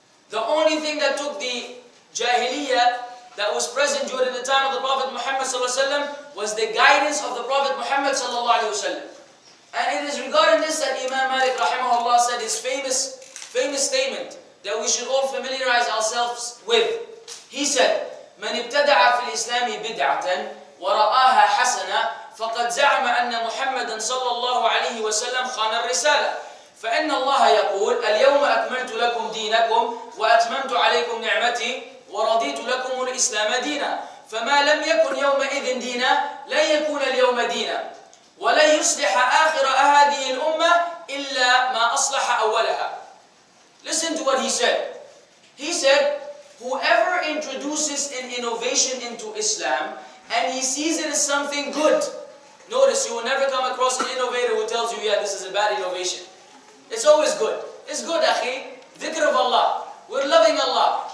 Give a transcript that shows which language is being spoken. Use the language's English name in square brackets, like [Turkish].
[English] The only thing that took the jahiliyyah that was present during the time of the Prophet Muhammad ﷺ was the guidance of the Prophet Muhammad ﷺ. And it is regarding this that Imam Malik rahimahullah said his famous statement that we should all familiarize ourselves with. He said, [Arabic] "من ابتدع في الإسلام بدعة ورآها حسنة فقد زعم أن محمدا صلى الله عليه وسلم خان الرسالة فإن الله يقول اليوم أكملت لكم دينكم وأتممت عليكم نعمتي ورضيت لكم الإسلام دينا فما لم يكن يومئذ دينا لن يكون اليوم دينا ولن يصلح آخر هذه الأمة إلا ما أصلح أولها." [English] Listen to what he said. He said, whoever introduces an innovation into Islam and he sees it as something good. Notice, you will never come across an innovator who tells you, yeah, this is a bad innovation. It's always good. It's good, akhi. Dhikr of Allah. We're loving Allah.